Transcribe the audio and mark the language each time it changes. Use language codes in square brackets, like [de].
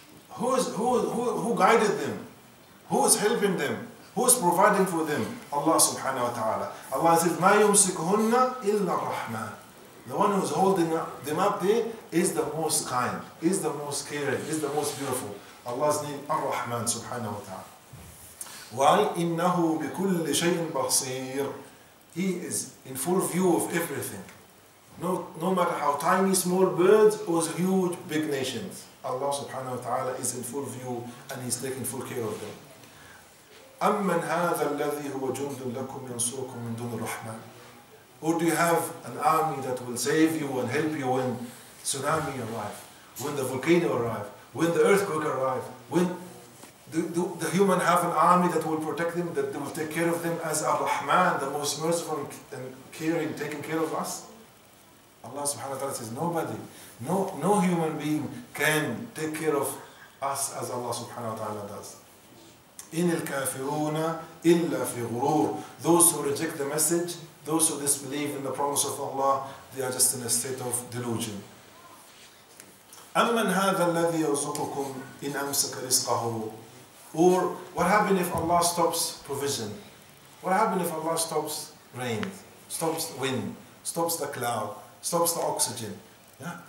[en] Who guided them? Who is helping them? Who is providing for them? Allah subhanahu wa ta'ala. Allah says, [ar] مَا يُمْسِكْهُنَّ إِلَّا الرَّحْمَنَ. [en] The one who is holding them up there is the most kind, is the most caring, is the most beautiful. Allah's name, Ar-Rahman subhanahu wa ta'ala. [ar] وَإِنَّهُ بِكُلِّ شَيْءٍ بَصِيرٍ. [en] He is in full view of everything. No matter how tiny, small birds or huge, big nations, Allah subhanahu wa ta'ala is in full view and He's taking full care of them. [ar] أَمَّنْ هَذَا الَّذِي هُوَ جُنْدٌ لَكُمْ يَنْصُرُكُمْ مِنْ دُونِ الرَّحْمَنِ. [en] Or do you have an army that will save you and help you when tsunami arrive, when the volcano arrive, when the earthquake arrive, when the human have an army that will protect them, that they will take care of them as Ar-Rahman, the most merciful and caring, taking care of us? Allah subhanahu wa ta'ala says, nobody, no human being can take care of us as Allah subhanahu wa ta'ala does. [ar] In الْكَافِرُونَ إِلَّا فِي غُرُورٍ. [en] Those who reject the message, those who disbelieve in the promise of Allah, they are just in a state of delusion. [ar] أَمَّنْ هَذَا الَّذِي يَرْزُقُكُمْ إِنْ أَمْسَكَ رِزْقَهُ. [en] Or what happens if Allah stops provision? What happens if Allah stops rain, stops wind, stops the cloud, stops the oxygen? Yeah?